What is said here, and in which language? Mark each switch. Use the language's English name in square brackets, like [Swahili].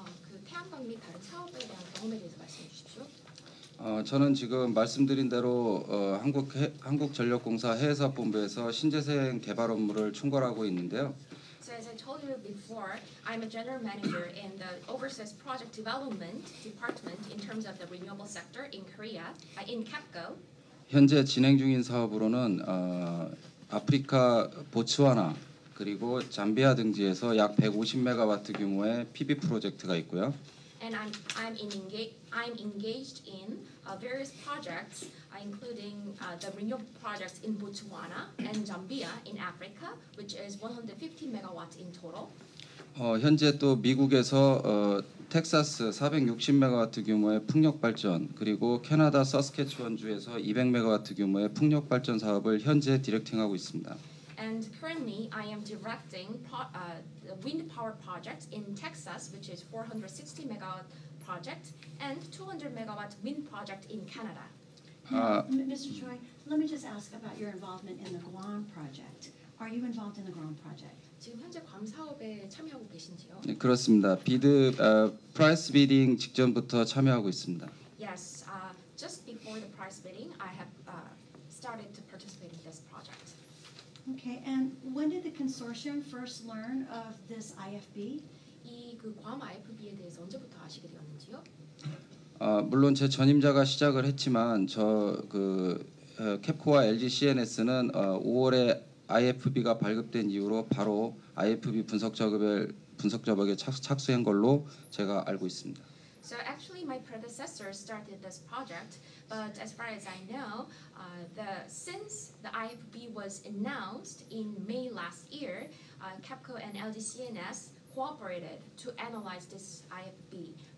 [Korean] 그 태양광 및 다른 사업에 대한 경험에 대해서 말씀해 주십시오. 저는 지금 말씀드린 대로 한국전력공사 해외사업본부에서 신재생 개발 업무를 총괄하고 있는데요. [English] So as I told you before, I'm a general manager in the overseas project development department in terms of the renewable sector in Korea, in KEPCO. [Korean] 현재 진행 중인 사업으로는 아프리카 보츠와나 그리고 잠비아 등지에서 약 150메가와트 규모의 PV 프로젝트가 있고요. [English] And I'm I'm engaged in various projects, including the renewable projects in Botswana and Zambia in Africa, which is 150 megawatts in total. [Korean] 현재 또 미국에서 텍사스 460메가와트 규모의 풍력발전 그리고 캐나다 사스케치원주에서 200메가와트 규모의 풍력발전 사업을 현재 디렉팅하고 있습니다. [English] And currently I am directing the wind power project in Texas, which is 460 megawatt project and 200 megawatt wind project in Canada. Mr. Choi, let me just ask about your involvement in the Guam project. Are you involved in the Guam project? [Korean] 지금 현재 괌 사업에 참여하고 계신지요? 네, 그렇습니다. 비드 프라이스 비딩 직전부터 참여하고 있습니다. [English] Yes, just before the price bidding, I have started to participate in this project. Okay, and when did the consortium first learn of this IFB? [Korean] 이 그 괌 IFB에 대해서 언제부터 아시게 되었는지요? 물론 제 전임자가 시작을 했지만 저 그 캡코와 LGCNS는 5월에 IFB가 발급된 이후로 바로 IFB 분석 작업에 착수한 걸로 제가 알고 있습니다. [English] So actually my predecessor started this project, but as far as I know, since the IFB was announced in May last year, KEPCO and LGCNS cooperated to analyze this IFB.